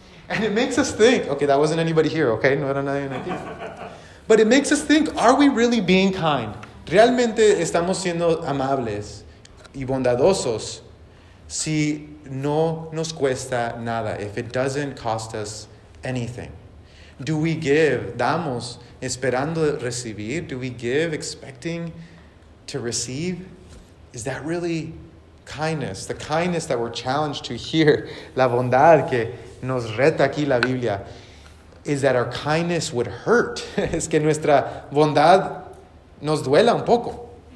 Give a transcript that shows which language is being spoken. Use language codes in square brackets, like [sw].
[en] And it makes us think, okay, that wasn't anybody here, okay? [es] No era nadie aquí. [en] But it makes us think, are we really being kind? [es] ¿Realmente estamos siendo amables y bondadosos si no nos cuesta nada? [en] If it doesn't cost us anything. Do we give? [es] ¿Damos esperando recibir? [en] Do we give expecting to receive? Is that really kindness, the kindness that we're challenged to hear, [es] la bondad que nos reta aquí la Biblia, [en] is that our kindness would hurt. [es] Es que nuestra bondad nos duela un poco.